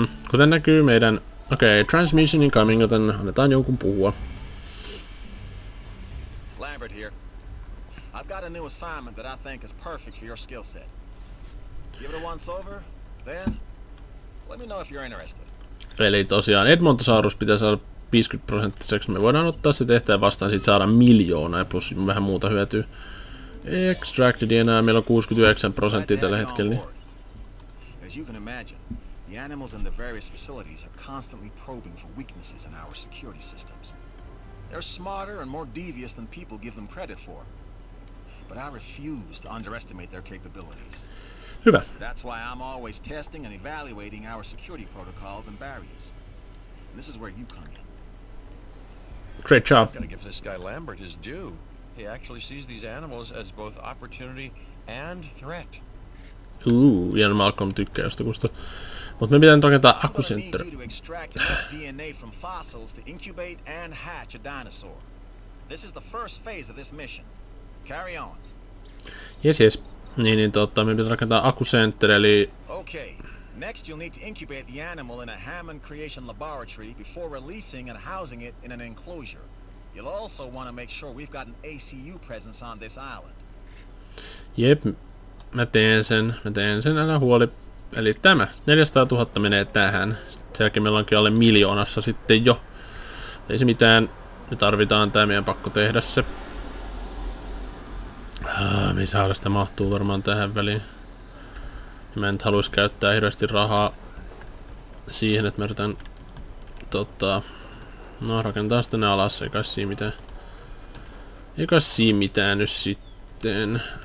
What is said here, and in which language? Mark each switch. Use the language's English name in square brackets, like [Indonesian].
[Finnish] Kuten näkyy meidän... Okei, [English] transmission incoming, [Finnish] joten annetaan jonkun puhua. [English] Lambert here. I've got a new assignment that I think is perfect for your skill set. Give it a once over, then let me know if you're interested. [Finnish] Eli tosiaan Edmontosaurus pitää saada 50%. Me voidaan ottaa se tehtävä vastaan, sit saada 1 000 000 ja plus vähän muuta hyötyä. Extracted enää, meillä on 69% tällä hetkellä. [English] As you can imagine, the animals in the various facilities are constantly probing for weaknesses in our security systems. They're smarter and more devious than people give them credit for. But I refuse to underestimate their capabilities. [Finnish] Hyvä. [English] That's why I'm always testing and evaluating our security protocols and barriers. And this is where you come in. Great job. Gotta give this guy Lambert his due. He actually sees these animals as both opportunity and threat. [Finnish] Ooh, ja Malcolm tykkää sitä kusta. Mutta me pitää nyt rakentaa akkusentteri. [English] I'm gonna need you to extract enough DNA from fossils to incubate and hatch a dinosaur. This is the first phase of this mission. Carry on. Yes, yes. [Finnish] Niin totta, me pitää rakentaa akkusentteri, eli... [English] Okay, next you'll need to incubate the animal in a Hammond Creation Laboratory before releasing and housing it in an enclosure. You'll also want to make sure we've got an ACU presence on this island. [Finnish] Jep, mä teen sen, älä huoli. Eli tämä, 400 000 menee tähän. Sitten sen jälkeen meillä onkin alle 1 000 000 sitten jo. Ei se mitään, me tarvitaan tämä, meidän pakko tehdä se. Missä haalasta mahtuu varmaan tähän väliin. Mä en haluaisi käyttää hirveästi rahaa siihen, että mä yritän no, rakentaa sitä ne alas, eikä siinä mitään nyt sitten.